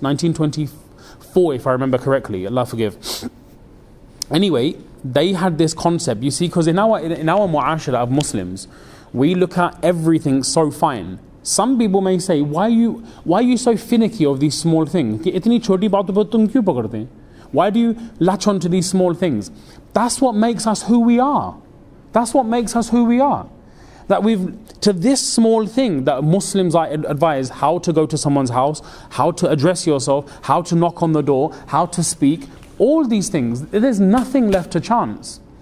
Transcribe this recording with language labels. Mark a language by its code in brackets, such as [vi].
[en] 1924, if I remember correctly. Allah forgive. Anyway, they had this concept. You see, because in our mu'ashara of Muslims, we look at everything so fine. Some people may say, why are you so finicky of these small things? [ur] اتنی چھوٹی بات پر تم کیوں پکڑتے؟ [en] Why do you latch on to these small things? That's what makes us who we are. That's what makes us who we are. That we've, to this small thing that Muslims are advised, how to go to someone's house, how to address yourself, how to knock on the door, how to speak, all these things, there's nothing left to chance.